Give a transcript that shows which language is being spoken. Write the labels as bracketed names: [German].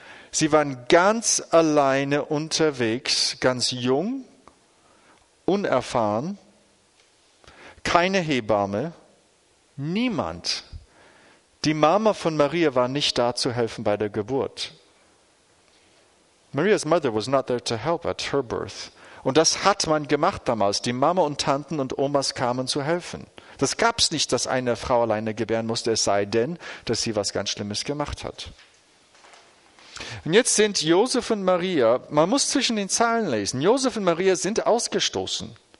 [German] Sie waren ganz alleine unterwegs, ganz jung, unerfahren, keine Hebamme, niemand. Die Mama von Maria war nicht da zu helfen bei der Geburt. [English] Maria's mother was not there to help at her birth. [German] Und das hat man gemacht damals. Die Mama und Tanten und Omas kamen zu helfen. Das gab's nicht, dass eine Frau alleine gebären musste, es sei denn, dass sie was ganz Schlimmes gemacht hat. Und jetzt sind Josef und Maria, man muss zwischen den Zeilen lesen, Josef und Maria sind ausgestoßen.